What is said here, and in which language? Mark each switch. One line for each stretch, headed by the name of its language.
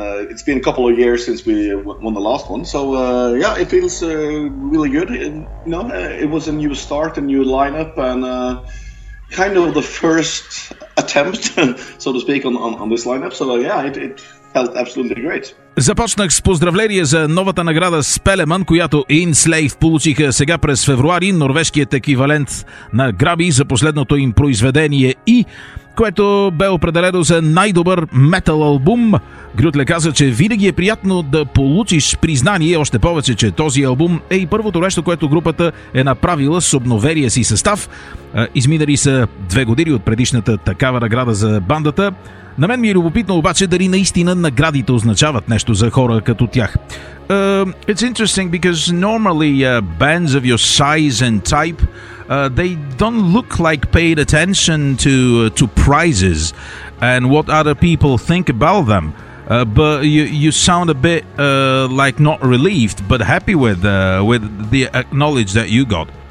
English: It's been a couple of years since we won the last one. So it feels really good. It was a new start, a new lineup, and kind of the first attempt, so to speak, on this lineup. It felt absolutely great.
Bulgarian: Започнах с поздравление за новата награда Spellman, която Enslaved получиха сега през февруари, норвежкият еквивалент на Граби за последното им произведение и което бе определено за най-добър метал албум. Грютле каза, че винаги е приятно да получиш признание, още повече, че този албум е и първото нещо, което групата е направила с обновения си състав. Изминали са 2 години от предишната такава награда за бандата. На мен ми е любопитно обаче дали наистина наградите означават нещо за хора като тях.
English: It's interesting because normally bands of your size and type, they don't look like paid attention to prizes and what other people think about them. But you sound a bit like not relieved, but happy with the knowledge that you got.